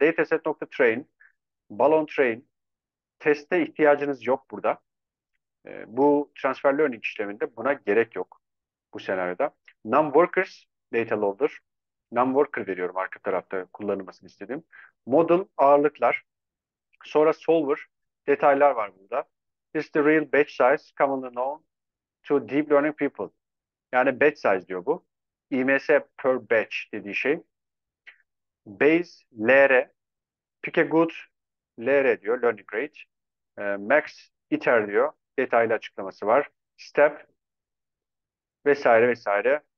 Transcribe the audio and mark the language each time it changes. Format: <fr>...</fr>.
<tr>Dataset.train, balon train, teste ihtiyacınız yok burada. Bu transfer learning işleminde buna gerek yok bu senaryoda. Numworkers data loader. Numworker veriyorum arka tarafta kullanılmasını istediğim. Model ağırlıklar. Sonra solver detaylar var burada.</tr> <en>This the real batch size commonly known to deep learning people.</en> <tr>Yani batch size diyor bu. IMS per batch dediği şey. Base LR.</tr> <en>Pick a good LR</en> <tr>diyor. Learning rate. Max iter diyor. Detaylı açıklaması var. Step vesaire vesaire.</tr>